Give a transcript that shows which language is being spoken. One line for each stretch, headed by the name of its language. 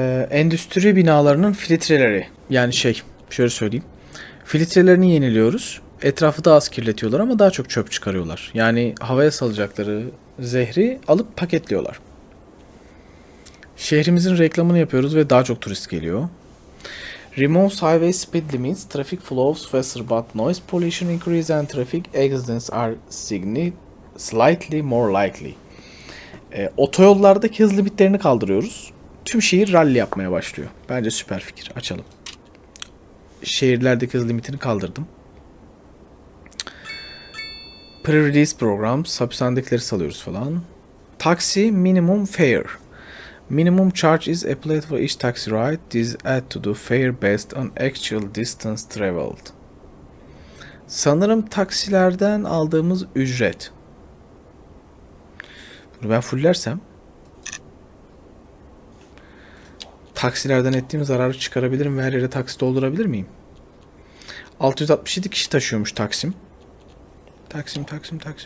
Turkish: Endüstri binalarının filtreleri. Yani şey, şöyle söyleyeyim. Filtrelerini yeniliyoruz. Etrafı daha az kirletiyorlar ama daha çok çöp çıkarıyorlar. Yani havaya salacakları zehri alıp paketliyorlar. Şehrimizin reklamını yapıyoruz ve daha çok turist geliyor.
English: Remove highway speed limits, traffic flows faster but noise pollution increase and traffic accidents are slightly more likely.
Turkish: Otoyollardaki hız limitlerini kaldırıyoruz. Tüm şehir rally yapmaya başlıyor. Bence süper fikir. Açalım. Şehirlerdeki hız limitini kaldırdım.
English: Pre-release programs,
Turkish: hapishanedekileri salıyoruz falan.
English: Taxi minimum fare. Minimum charge is applied for each taxi ride. This add to the fare based on actual distance traveled.
Turkish: Sanırım taksilerden aldığımız ücret. Bunu ben fullersem taksilerden ettiğim zararı çıkarabilirim ve her yere taksi doldurabilir miyim? 667 kişi taşıyormuş taksim. Taksim.